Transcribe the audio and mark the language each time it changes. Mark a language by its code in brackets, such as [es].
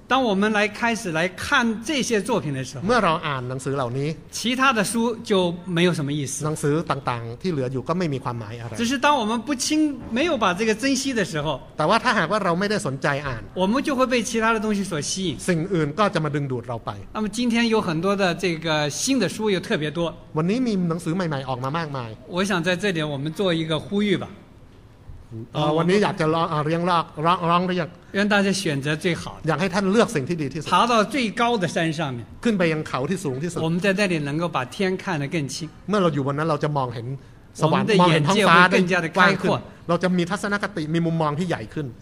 [zh] 当我们来开始来看这些作品的时候 [th] เมื่อเราอ่านหนังสือเหล่านี้ [zh] 其他的书就没有什么意思 [th] หนังสือต่างๆที่เหลืออยู่ก็ไม่มีความหมายอะไร [zh] 只是当我们不清没有把这个珍惜的时候 [th] แต่ว่าถ้าหากว่าเราไม่ได้สนใจอ่าน [zh] 我们就会被其他的东西所吸引 [th] สิ่งอื่นก็จะมาดึงดูดเราไป [zh] 那么今天有很多的这个新的书又特别多 [th] วันนี้มีหนังสือใหม่ๆออกมามากมาย [zh] 我想在这点我们做一个呼吁吧 [th] วันนี้อยากจะร้องเรียก [zh] 愿大家选择最好 [th] อยากให้ท่านเลือกสิ่งที่ดีที่สุด [zh] 爬到最高的山上面 [th] ขึ้นไปยังเขาที่สูงที่สุด [zh] 我们在那里能够把天看得更清 [th] เมื่อเราอยู่บนนั้นเราจะมองเห็นส ว ร ร ค์มองเห็นท้องฟ้าได้กว้าง ขึ้ นเราจะมีทัศนคติมีมุมมองที่ใหญ่ขึ้น